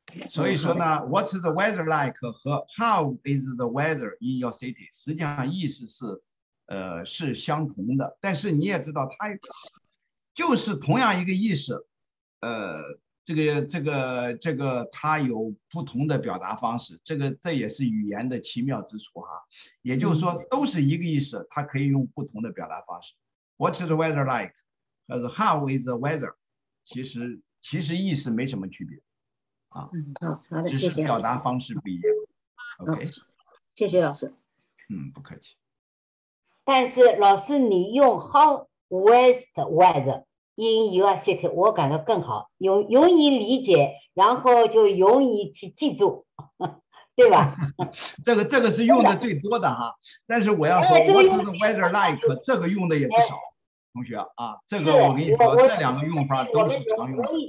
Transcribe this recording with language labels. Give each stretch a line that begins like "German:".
English: 所以说呢 ，What's the weather like 和 How is the weather in your city？
Chinese: 实际上意思是相同的，但是你也知道，它就是同样一个意思，这个它有不同的表达方式，这也是语言的奇妙之处哈。也就是说，都是一个意思，它可以用不同的表达方式。
English: What's the weather like？ 和 How is the weather？
Chinese: 其实意思没什么区别。好的，谢谢。只是表达方式不一样。OK，谢谢老师。不客气。但是老师，你用
English: How was the weather in your city？
Chinese: 我感到更好，容易理解，然后就容易去记住，对吧？这个是用的最多的哈。但是我要说 ，
English: What's the weather like？
Chinese: 这个用的也不少，同学啊。这个我跟你说，这两个用法都是常用的。